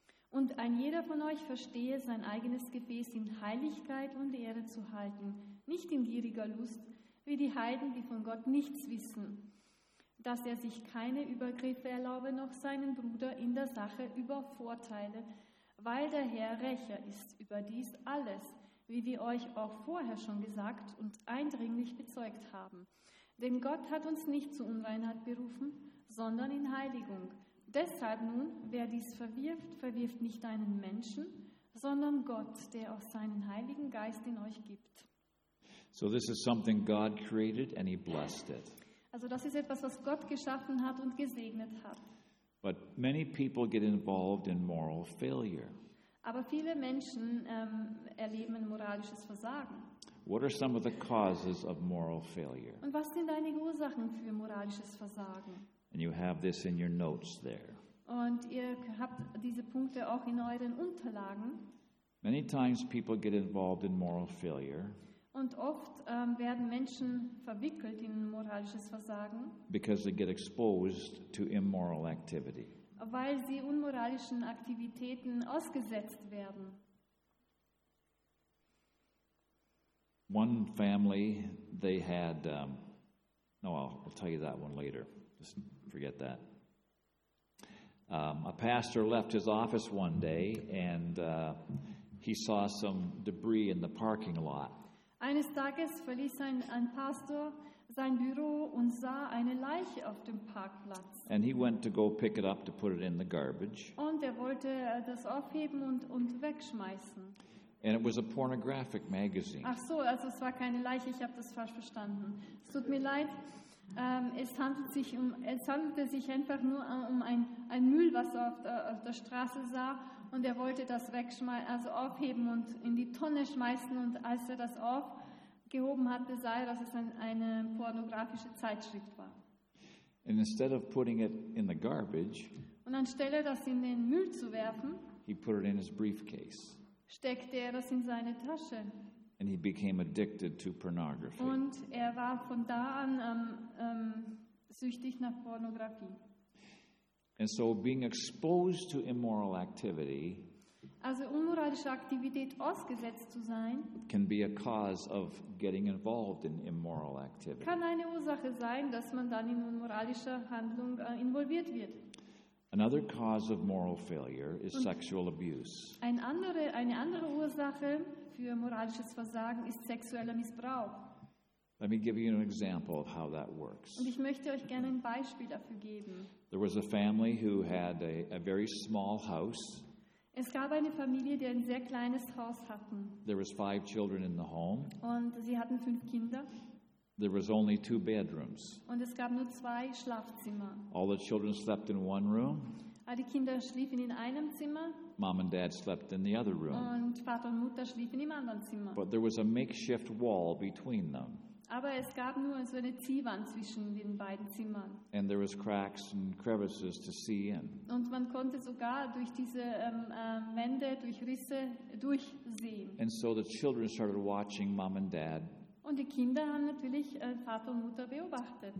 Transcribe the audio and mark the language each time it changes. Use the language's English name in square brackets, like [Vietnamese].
[German] Und ein jeder von euch verstehe, sein eigenes Gefäß in Heiligkeit und Ehre zu halten, nicht in gieriger Lust, wie die Heiden, die von Gott nichts wissen, dass er sich keine Übergriffe erlaube, noch seinen Bruder in der Sache übervorteile, weil der Herr Rächer ist über dies alles, wie wir euch auch vorher schon gesagt und eindringlich bezeugt haben. Denn Gott hat uns nicht zu Unreinheit berufen, sondern in Heiligung. Deshalb nun, wer dies verwirft, verwirft nicht einen Menschen, sondern Gott, der auch seinen Heiligen Geist in euch gibt. [English] So this is something God created and he blessed it. [German] Also das ist etwas, was Gott geschaffen hat und gesegnet hat. [English] But many people get involved in moral failure. [German] Aber viele Menschen erleben ein moralisches Versagen. [English] What are some of the causes of moral failure? [German] Und was sind einige Ursachen für moralisches Versagen? [English] And you have this in your notes there. [German] Und ihr habt diese Punkte auch in euren Unterlagen. [English] Many times people get involved in moral failure. [German] Und oft werden Menschen verwickelt in moralisches Versagen. [English] Because they get exposed to immoral activity. [German] Weil sie unmoralischen Aktivitäten ausgesetzt werden. [English] One family, they had. I'll tell you that one later. Just forget that. A pastor left his office one day and he saw some debris in the parking lot. [German] Eines Tages verließ ein Pastor sein Büro und sah eine Leiche auf dem Parkplatz. [English] And he went to go pick it up to put it in the garbage. [German] Und er wollte das aufheben und wegschmeißen. [English] And it was a pornographic magazine. [German] Ach so, also es war keine Leiche, ich habe das falsch verstanden. Es tut mir leid. Es handelte sich einfach nur um ein Müll, was er auf der Straße sah, und er wollte das wegschmeißen, also aufheben und in die Tonne schmeißen, und als er das aufgehoben hatte, sah er, dass es eine pornografische Zeitschrift war. [English] And instead of putting it in the garbage, [German] und anstelle das in den Müll zu werfen, [English] he put it in his briefcase. [German] Steckte er das in seine Tasche. [English] And he became addicted to pornography. [German] Und er war von da an süchtig nach Pornografie. [English] And so being exposed to immoral activity, [German] also unmoralische Aktivität ausgesetzt zu sein, [English] can be a cause of getting involved in immoral activity. [German] Kann eine Ursache sein, dass man dann in unmoralischer Handlung involviert wird. [English] Another cause of moral failure is sexual abuse. [German] Eine andere Ursache für moralisches Versagen ist sexueller Missbrauch. [English] Let me give you an example of how that works. [German] Und ich möchte euch gerne ein Beispiel dafür geben. [English] There was a family who had a very small house. [German] Es gab eine Familie, die ein sehr kleines Haus hatten. [English] There was 5 children in the home. [German] Und sie hatten 5 Kinder. [English] There was only 2 bedrooms. [German] Und es gab nur 2 Schlafzimmer. [English] All the children slept in one room. [German] All die Kinder schliefen in einem Zimmer. [English] Mom and Dad slept in the other room. [German] Und Vater und Mutter schliefen im anderen Zimmer. [English] But there was a makeshift wall between them. [German] Aber es gab nur so eine Ziehwand zwischen den beiden Zimmern. [English] And there was cracks and crevices to see in. [German] Und man konnte sogar durch diese Wände, durch Risse durchsehen. [English] And so the children started watching Mom and Dad. [German] Und die Kinder haben natürlich Vater und Mutter beobachtet.